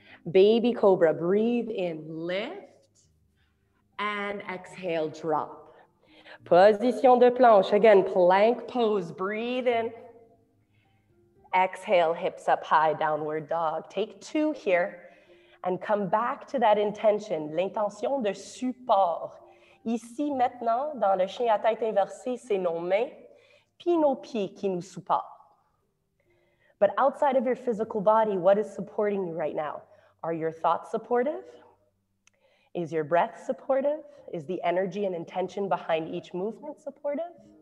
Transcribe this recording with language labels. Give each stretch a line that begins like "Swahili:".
English: Baby cobra, breathe in, lift, and exhale, drop.
French: Position de planche,
English: again, plank pose, breathe in. Exhale, hips up high, downward dog. Take two here and come back to that intention,
French: l'intention de support. Ici, maintenant, dans le chien à tête inversée, c'est nos mains, puis nos pieds qui nous supportent.
English: But outside of your physical body, what is supporting you right now? Are your thoughts supportive? Is your breath supportive? Is the energy and intention behind each movement supportive?